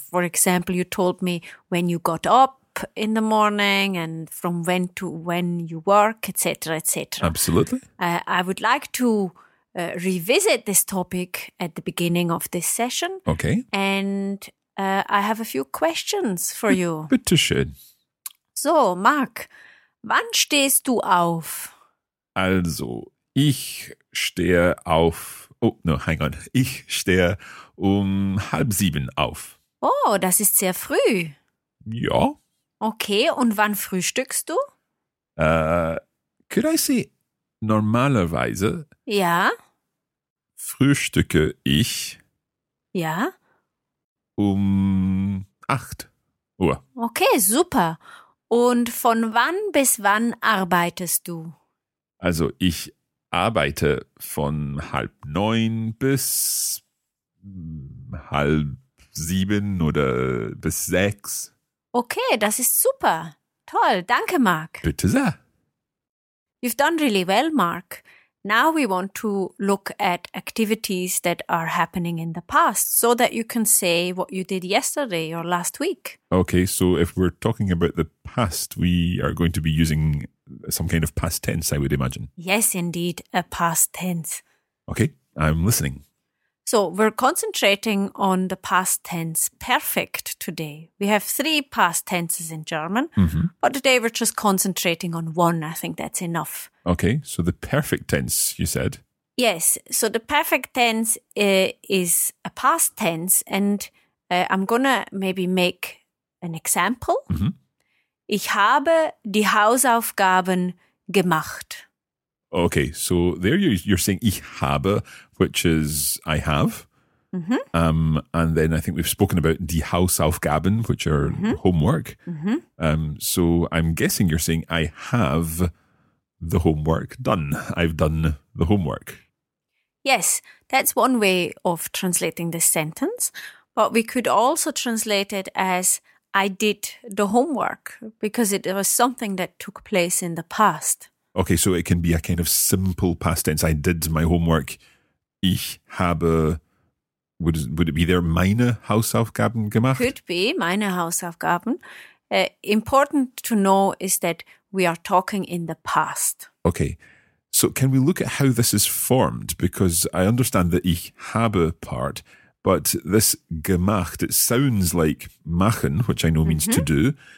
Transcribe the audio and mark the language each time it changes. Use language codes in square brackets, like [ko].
[en] For example, you told me when you got up in the morning and from when to when you work, etc., etc. Absolutely. I would like to revisit this topic at the beginning of this session. Okay. And I have a few questions for you. [de] Bitte schön. So, Marc, wann stehst du auf? Also, ich stehe auf. [en] Oh, no, hang on. [de] Ich stehe um 6:30 auf. Oh, das ist sehr früh. Ja. Okay, und wann frühstückst du? [en] Could I say, normalerweise? [de] Ja. Frühstücke ich? Ja. Um 8:00. Okay, super. Und von wann bis wann arbeitest du? Also, ich arbeite von 8:30 bis 6:30 oder bis 6:00. Okay, das ist super. Toll, danke, Marc. Bitte sehr. [en] You've done really well, Marc. Now we want to look at activities that are happening in the past so that you can say what you did yesterday or last week. Okay, so if we're talking about the past, we are going to be using some kind of past tense, I would imagine. Yes, indeed, a past tense. Okay, I'm listening. So we're concentrating on the past tense perfect today. We have three past tenses in German, mm-hmm. but today we're just concentrating on one. I think that's enough. Okay, so the perfect tense, you said? Yes, so the perfect tense is a past tense, and I'm going to maybe make an example. Mm-hmm. [de] Ich habe die Hausaufgaben gemacht. [en] Okay, so there you're saying [de] ich habe, [en] which is I have. Mm-hmm. And then I think we've spoken about die Hausaufgaben, which are mm-hmm. homework. Mm-hmm. So I'm guessing you're saying I have the homework done. I've done the homework. Yes, that's one way of translating this sentence. But we could also translate it as I did the homework because it was something that took place in the past. Okay, so it can be a kind of simple past tense. I did my homework. [de] Ich habe, [en] would it be there, [de] meine Hausaufgaben gemacht? Could be, meine Hausaufgaben. [en] Important to know is that we are talking in the past. Okay, so can we look at how this is formed? Because I understand the ich habe part, but this gemacht, it sounds like machen, which I know means mm-hmm. to do.